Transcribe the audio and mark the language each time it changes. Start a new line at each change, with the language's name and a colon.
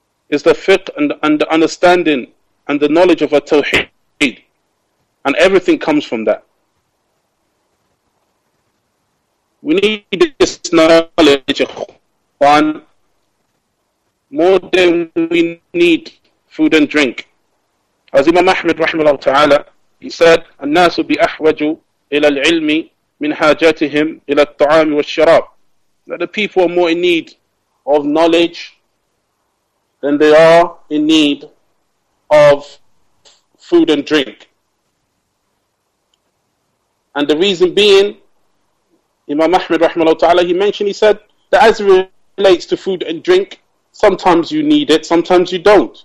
English: Is the fiqh and the understanding and the knowledge of a tawheed. And everything comes from that. We need this knowledge, one, more than we need food and drink. As Imam Ahmad rahimahullah ta'ala, he said,
Arabic: الناس بأحوج إلى العلم من حاجاتهم إلى الطعام والشراب.
English: That the people are more in need of knowledge than they are in need of food and drink. And the reason being Imam Ahmed rahimahullah ta'ala, he mentioned, he said that as it relates to food and drink, sometimes you need it, sometimes you don't.